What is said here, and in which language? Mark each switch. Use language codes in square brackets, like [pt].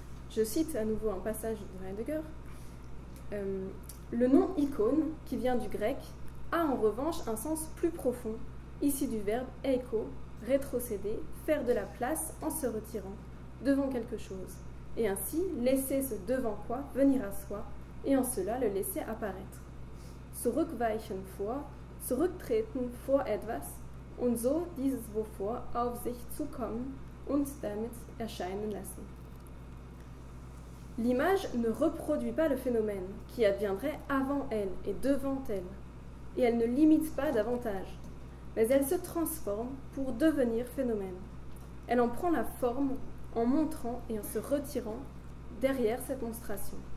[fr] Je cite à nouveau un passage de Heidegger. Le nom icône, qui vient du grec, a en revanche un sens plus profond, issu du verbe echo, rétrocéder, faire de la place en se retirant, devant quelque chose, et ainsi laisser ce devant quoi venir à soi, et en cela le laisser apparaître. [de] Zurückweichen vor, zurücktreten vor etwas, und so dieses wovor auf sich zukommen und damit erscheinen lassen. [fr] L'image ne reproduit pas le phénomène qui adviendrait avant elle et devant elle, et elle ne limite pas davantage, mais elle se transforme pour devenir phénomène. Elle en prend la forme en montrant et en se retirant derrière cette monstration.